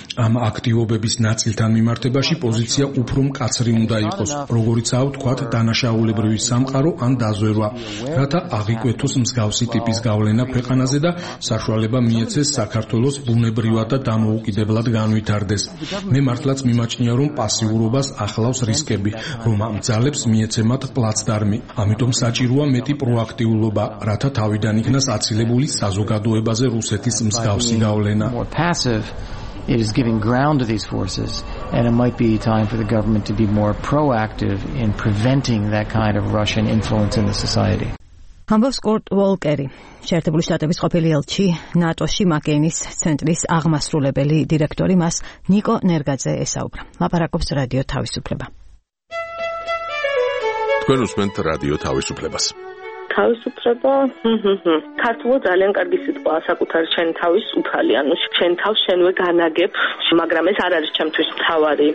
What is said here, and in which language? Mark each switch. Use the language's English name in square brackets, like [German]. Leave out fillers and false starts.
[Georgian] ამ აქტივობების ნაწილთან მიმართებაში პოზიცია უფრო მკაცრი უნდა იყოს, როგორიცაა ვთქვათ, დანაშაულებრივი სამყარო ან დაზვერვა, რათა აღიკვეთოს მსგავსი ტიპის გავლენა ქვეყანაზე და საშუალება მიეცეს საქართველოს ბუნებრივად და დამოუკიდებლად განვითარდეს. მე მართლაც მიმაჩნია, რომ პასიურობას ახლავს რისკები, რომ ამ ძალებს მიეცემათ პლაცდარმი. ამიტომ საჭიროა მეტი პროაქტიულობა, რათა თავიდან იქნას აცილებული საზოგადოებაზე რუსეთის მსგავსი გავლენა. [English] It is giving ground to these forces and it might be time for the government to be more proactive in preventing that kind of Russian influence in the society. [Georgian] ამბობს კორტ ვოლკერი, შეერთებული შტატების ყოფილი ელჩი, ნატოში მაკენის ცენტრის აღმასრულებელი დირექტორი, მას ნიკო ნერგაძე ესაუბრა. ლაპარაკობს რადიო თავისუფლება. თქვენ უსმენთ რადიო თავისუფლებას. თავისუფლება, ქართულად ძალიან კარგი სიტყვაა საკუთარი ჩვენი თავის უფალი, ანუ ჩვენ თავს შენვე განაგებ, მაგრამ ეს არ არის ჩემთვის მთავარი.